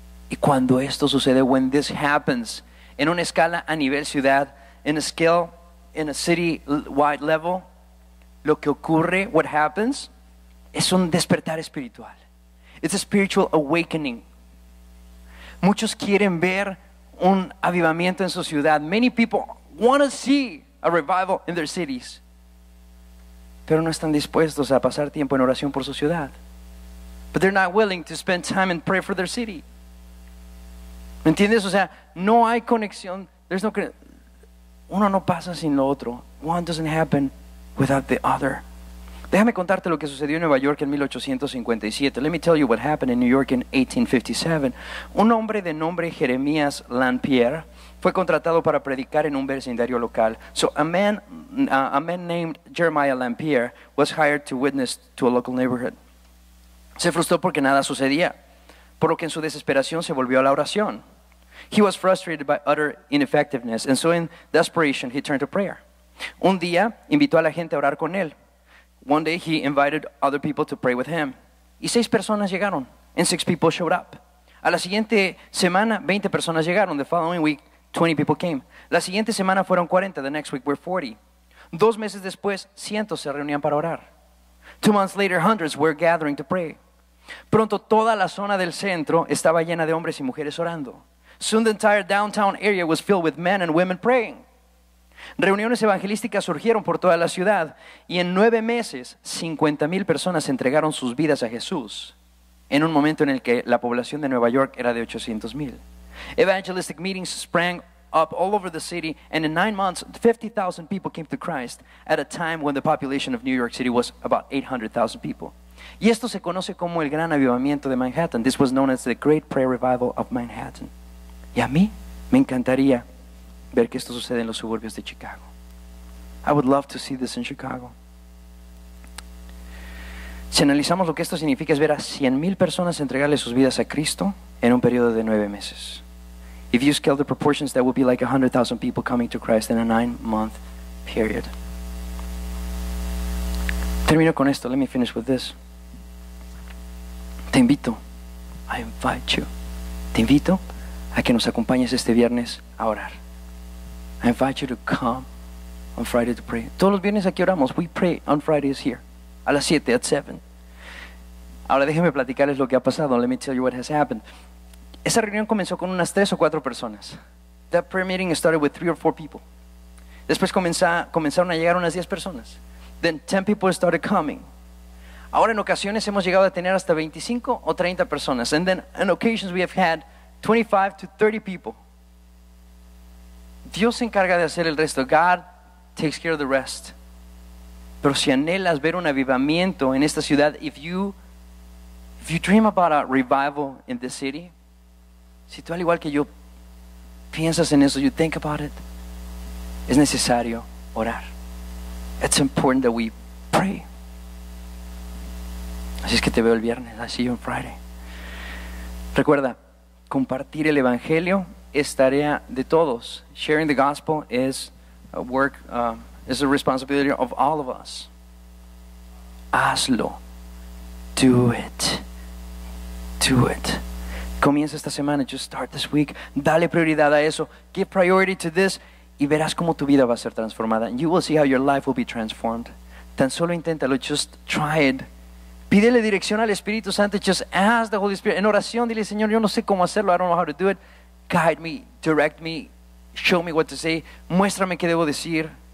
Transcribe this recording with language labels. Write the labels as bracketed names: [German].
[Spanish] Y cuando esto sucede, [English] when this happens, [Spanish] en una escala a nivel ciudad, [English] in a scale, in a city-wide level, [Spanish] lo que ocurre, [English] what happens, [Spanish] es un despertar espiritual. [English] It's a spiritual awakening. [Spanish] Muchos quieren ver un avivamiento en su ciudad. [English] Many people want to see a revival in their cities. [Spanish] Pero no están dispuestos a pasar tiempo en oración por su ciudad. [English] But they're not willing to spend time and pray for their city. [Spanish] ¿Me entiendes? O sea, no hay conexión. [English] There's no conexión. [Spanish] Uno no pasa sin lo otro. [English] One doesn't happen without the other. [Spanish] Déjame contarte lo que sucedió en Nueva York en 1857. [English] Let me tell you what happened in New York in 1857. [Spanish] Un hombre de nombre Jeremías Lanpierre fue contratado para predicar en un vecindario local. [English] So a man named Jeremiah Lanpierre was hired to witness to a local neighborhood. [Spanish] Se frustró porque nada sucedía, por lo que en su desesperación se volvió a la oración. [English] He was frustrated by utter ineffectiveness, and so in desperation he turned to prayer. [Spanish] Un día invitó a la gente a orar con él. [English] One day he invited other people to pray with him. [Spanish] Y 6 personas llegaron, [English] and 6 people showed up. [Spanish] A la siguiente semana, 20 personas llegaron. [English] The following week, 20 people came. [Spanish] La siguiente semana fueron 40, [English] the next week were 40. [Spanish] 2 meses después, cientos se reunían para orar. [English] 2 months later, hundreds were gathering to pray. [Spanish] Pronto toda la zona del centro estaba llena de hombres y mujeres orando. [English] Soon the entire downtown area was filled with men and women praying. [Spanish] Reuniones evangelísticas surgieron por toda la ciudad y en 9 meses 50,000 personas entregaron sus vidas a Jesús en un momento en el que la población de Nueva York era de 800,000. [English] Evangelistic meetings sprang up all over the city and in 9 months 50,000 people came to Christ at a time when the population of New York City was about 800,000 people. [Spanish] Y esto se conoce como el gran avivamiento de Manhattan. [English] This was known as the Great Prayer Revival of Manhattan. [Spanish] Y a mí me encantaría ver que esto sucede en los suburbios de Chicago. [English] I would love to see this in Chicago. [Spanish] Si analizamos lo que esto significa, es ver a 100,000 personas entregarle sus vidas a Cristo en un periodo de 9 meses. [English] If you scale the proportions, that would be like 100,000 people coming to Christ in a 9-month period. [Spanish] Termino con esto. [English] Let me finish with this. [Spanish] Te invito. [English] I invite you. [Spanish] Te invito a que nos acompañes este viernes a orar. [English] I invite you to come on Friday to pray. [Spanish] Todos los viernes aquí oramos. [English] We pray on Fridays here. [Spanish] A las 7, [English] at 7. [Spanish] Ahora déjenme platicarles lo que ha pasado. [English] Let me tell you what has happened. [Spanish] Esa reunión comenzó con unas 3 o 4 personas. [English] That prayer meeting started with 3 or 4 people. [Spanish] Después comenzaron a llegar unas 10 personas. [English] Then 10 people started coming. [Spanish] Ahora en ocasiones hemos llegado a tener hasta 25 o 30 personas. [English] And then in occasions we have had 25 to 30 people. [Spanish] Dios se encarga de hacer el resto. [English] God takes care of the rest. [Spanish] Pero si anhelas ver un avivamiento en esta ciudad, [English] if you dream about a revival in this city, [Spanish] si tú al igual que yo piensas en eso, [English] you think about it, [Spanish] es necesario orar. [English] It's important that we pray. [Spanish] Así es que te veo el viernes. [English] I see you on Friday. [Spanish] Recuerda, compartir el evangelio es tarea de todos. [English] Sharing the gospel is a work, is a responsibility of all of us. [Spanish] Hazlo. [English] Do it. Do it. [Spanish] Comienza esta semana. [English] Just start this week. [Spanish] Dale prioridad a eso. [English] Give priority to this. [Spanish] Y verás cómo tu vida va a ser transformada. [English] You will see how your life will be transformed. [Spanish] Tan solo inténtalo. [English] Just try it. [Spanish] Pídele dirección al Espíritu Santo. [English] Just ask the Holy Spirit. [Spanish] En oración, dile, Señor, yo no sé cómo hacerlo. [English] I don't know how to do it. Guide me. Direct me. Show me what to say. [Spanish] Muéstrame qué debo decir.